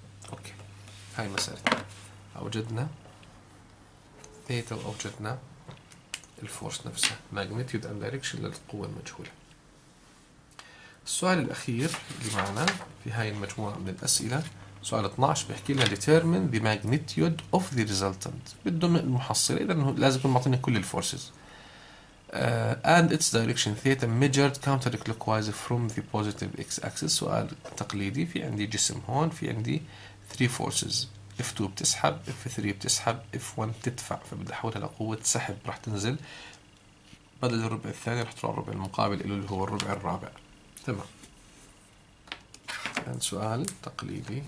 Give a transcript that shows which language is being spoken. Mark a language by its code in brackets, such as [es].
[ar] اوكي هاي مسألتنا، اوجدنا ثيتا واوجدنا الفورس نفسها [en] magnitude and direction [ar] للقوة المجهولة. السؤال الأخير اللي معنا في هاي المجموعة من الأسئلة، سؤال 12 بيحكي لنا [en] determine the magnitude of the resultant، [ar] بده المحصلة، إذا لازم يكون معطيني كل الفورسز. [en] And its direction theta measured counterclockwise from the positive x-axis. [ar] سؤال تقليدي، في عندي جسم هون، في عندي 3 forces F2 بتسحب، F3 بتسحب، F1 تدفع، فبدي احولها لقوة سحب، راح تنزل بدل الربع الثاني راح تروح الربع المقابل اللي هو الربع الرابع. تمام، الآن سؤال تقليدي.